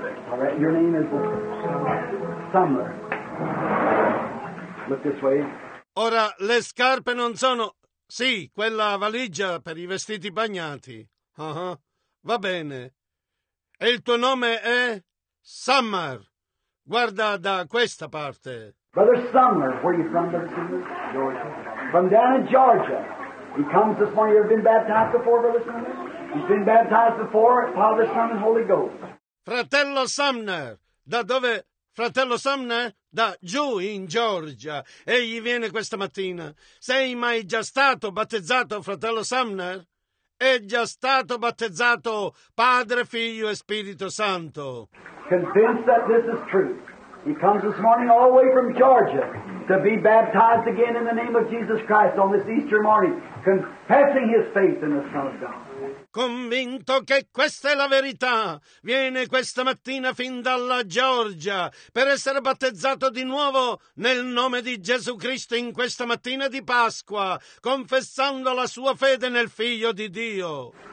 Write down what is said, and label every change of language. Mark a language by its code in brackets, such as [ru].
[en] All right, your name is Summer. Look this way. [it] Ora, le scarpe non sono... Sì, quella valigia per i vestiti bagnati. Uh-huh. Va bene. E il tuo nome è Summer. Guarda da questa parte. [en] Brother Summer, where are you from, Brother Summer? Georgia. From down in Georgia. He comes this morning. You ever been baptized before, Brother Summer? He's been baptized before, Father, Son, and Holy Ghost. [it] Fratello Sumner, da dove... Fratello Sumner, da giù in Georgia, egli viene questa mattina. Sei mai già stato battezzato, fratello Sumner? È già stato battezzato Padre, Figlio e Spirito Santo. [en] Convinced that this is true. He comes this morning all the way from Georgia to be baptized again in the name of Jesus Christ on this Easter morning, confessing his faith in the Son of God. [it] Convinto che questa è la verità, viene questa mattina fin dalla Georgia per essere battezzato di nuovo nel nome di Gesù Cristo in questa mattina di Pasqua, confessando la sua fede nel Figlio di Dio.